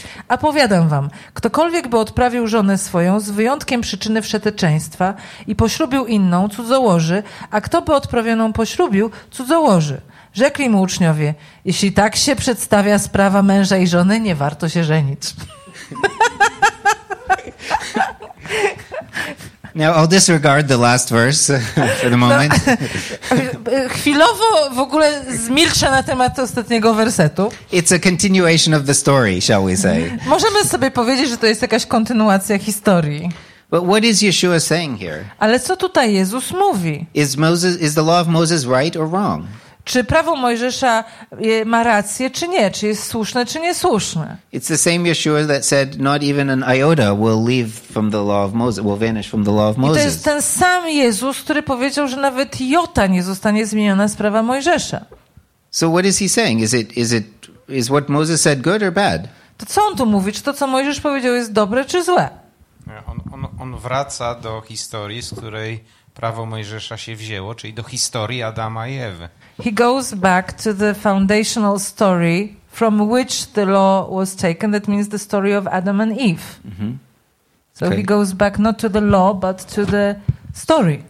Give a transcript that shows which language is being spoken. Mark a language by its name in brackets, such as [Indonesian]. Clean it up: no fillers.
[Polish] A powiadam wam, ktokolwiek by odprawił żonę swoją z wyjątkiem przyczyny wszeteczeństwa i poślubił inną, cudzołoży, a kto by odprawioną poślubił, cudzołoży. Rzekli mu uczniowie: jeśli tak się przedstawia sprawa męża i żony, nie warto się żenić. [English] Now I'll disregard the last verse for the moment. [Polish] Chwilowo w ogóle zmilczę na temat ostatniego wersetu. [English] It's a continuation of the story, shall we say. [Polish] Możemy sobie powiedzieć, że to jest jakaś kontynuacja historii. [English] But what is Yeshua saying here? [Polish] Ale co tutaj Jezus mówi? [English] Is the law of Moses right or wrong? [Polish] Czy prawo Mojżesza ma rację, czy nie? Czy jest słuszne, czy niesłuszne? [English] It's the same Yeshua that said not even an iota will leave from the law of Moses, will vanish from the law of Moses. [Polish] I to jest ten sam Jezus, który powiedział, że nawet jota nie zostanie zmieniona z prawa Mojżesza. [English] So what is he saying? Is what Moses said good or bad? [Polish] To co on tu mówi? Czy to, co Mojżesz powiedział, jest dobre, czy złe? On wraca do historii, z której prawo Mojżesza się wzięło, czyli do historii Adama i Ewy. [English] He goes back to the foundational story from which the law was taken. That means the story of Adam and Eve. Mm-hmm. So okay. He goes back not to the law, but to the story.